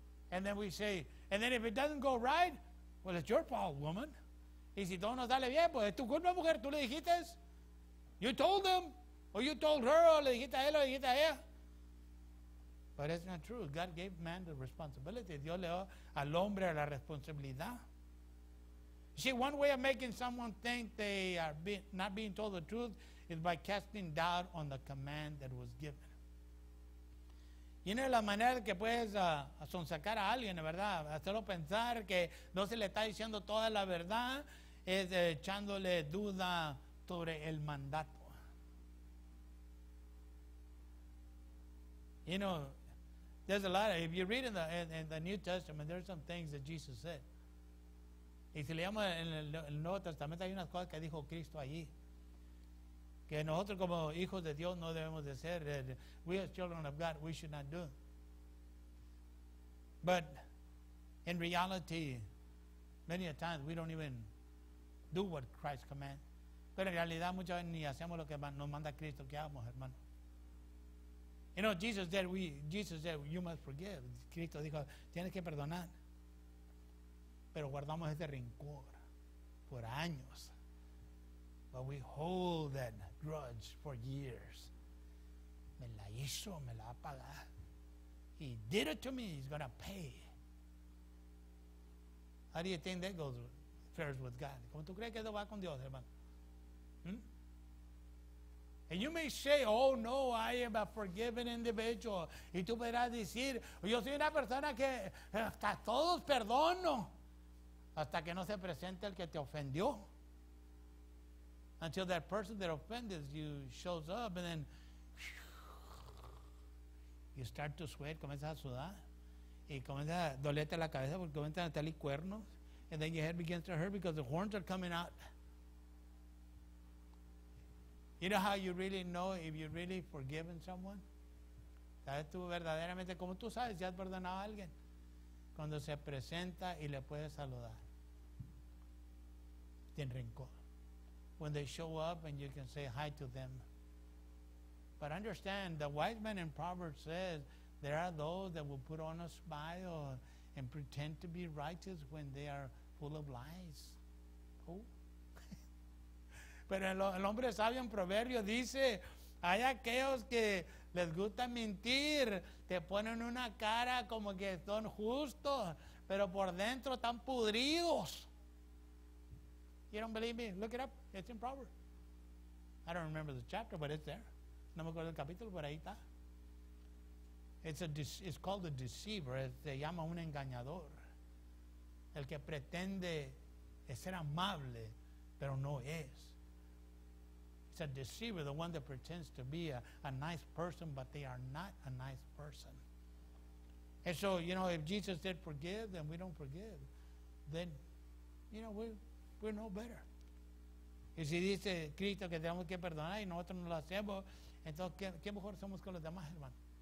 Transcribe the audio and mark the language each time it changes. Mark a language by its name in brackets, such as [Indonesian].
[English] And then we say, and then if it doesn't go right, well, it's your fault, woman. [Spanish] Y si todo no sale bien, pues es tu culpa, mujer. Tú le dijiste. [English] You told them. Or you told her. [Spanish] Or le dijiste a él, o le dijiste a ella. [English] But it's not true. God gave man the responsibility. [Spanish] Dios le dio al hombre la responsabilidad. [English] See, one way of making someone think they are not being told the truth is by casting doubt on the command that was given. [Spanish] Y una de las maneras que puedes sonsacar a alguien, ¿verdad? Hacerlo pensar que no se le está diciendo toda la verdad es echándole duda sobre el mandato. [English] You know, there's a lot of, if you read in the New Testament, there's some things that Jesus said. [Spanish] Y si leemos en el Nuevo Testamento, hay unas cosas que dijo Cristo allí. Que nosotros como hijos de Dios no debemos de ser. [English] We as children of God, we should not do. But in reality, many a times we don't even do what Christ commands. [Spanish] Pero en realidad muchas veces ni hacemos lo que nos manda Cristo que hagamos, hermano. [English] You know, Jesus said, you must forgive. [Spanish] Cristo dijo, tienes que perdonar. Pero guardamos ese rencor por años. [English] But we hold that grudge for years. [Spanish] Me la hizo, me la va a pagar. [English] He did it to me, he's going to pay. How do you think that goes first with God? [Spanish] ¿Cómo tú crees que eso va con Dios, hermano? [English] And you may say, oh no, I am a forgiven individual. [Spanish] Y tú podrás decir, yo soy una persona que hasta todos perdono. Hasta que no se presente el que te ofendió. [English] Until that person that offended you shows up and then you start to sweat, [Spanish] comienzas a sudar. Y comienzas a dolerte la cabeza porque comienzan a tener cuernos. [English] And then your head begins to hurt because the horns are coming out. You know how you really know if you've really forgiven someone? [Spanish] ¿Sabes tú verdaderamente cómo tú sabes si has perdonado a alguien? Cuando se presenta y le puedes saludar. Sin rencor. [English] when they show up and you can say hi to them. But understand, the wise man in Proverbs says there are those that will put on a smile and pretend to be righteous when they are full of lies. Who? [Spanish] Pero el hombre sabio en Proverbios dice, hay aquellos que les gusta mentir, te ponen una cara como que son justos, pero por dentro están pudridos. [English] You don't believe me? Look it up. It's in Proverbs. I don't remember the chapter, but it's there. [Spanish] No me acuerdo el capítulo, pero ahí está. [English] It's called the deceiver. [Spanish] Se llama un engañador. El que pretende ser amable, pero no es. [English] It's a deceiver, the one that pretends to be a nice person, but they are not a nice person. And so, you know, if Jesus said forgive, and we don't forgive, then, you know, we're no better. [Spanish] Y si dice Cristo que tenemos que perdonar y nosotros no lo hacemos, entonces, ¿qué mejor somos que los demás, hermano?